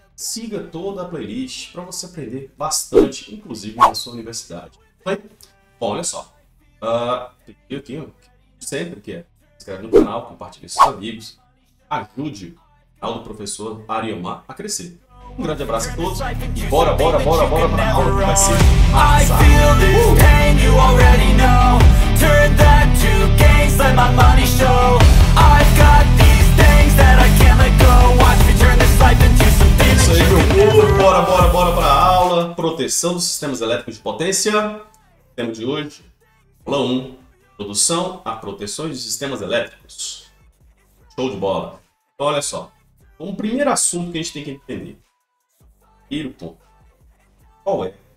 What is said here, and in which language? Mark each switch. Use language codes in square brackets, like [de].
[pt] Siga toda a playlist para você aprender bastante, inclusive na sua universidade. Bem, bom, olha só. Eu tenho sempre que é. Se inscreve no canal, compartilhe com seus amigos. Ajude o canal do professor Ariomar a crescer. Um grande abraço a todos e bora para a aula que vai ser massa. [en] I feel this pain you already know. Turn that to gains, let my money show. I've got these things that I can't let go. Watch me turn this life into something. [pt] Isso aí, meu povo. Bora para a aula. Proteção dos sistemas elétricos de potência. Tema de hoje. Aula 1. Introdução à proteção de sistemas elétricos. Show de bola. Então, olha só. Um primeiro assunto que a gente tem que entender. Primeiro ponto. Qual é?